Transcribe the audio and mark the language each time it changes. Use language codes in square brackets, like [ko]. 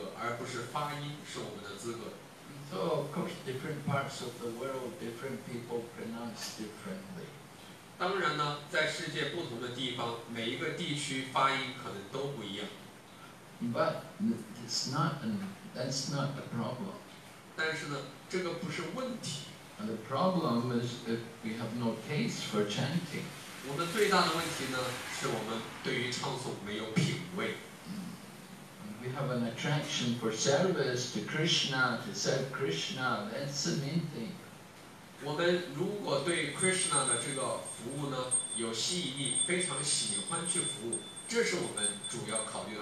[zh] 我们的这个奉爱是我们的资格，而不是发音是我们的资格。 [en] So of course, different parts of the world, different people pronounce differently. [zh] 当然呢，在世界不同的地方，每一个地区发音可能都不一样。 [en] But it's not that's not the problem. [zh] 但是呢，这个不是问题。 [en] And the problem is if we have no taste for chanting. [zh] 我们最大的问题呢，是我们对于唱诵没有品味。 [en] We have an attraction for service to Krishna, to serve Krishna. That's the main thing. [zh] 我们如果对 Krishna 的这个服务呢，有吸引力，非常喜欢去服务，这是我们主要考虑的。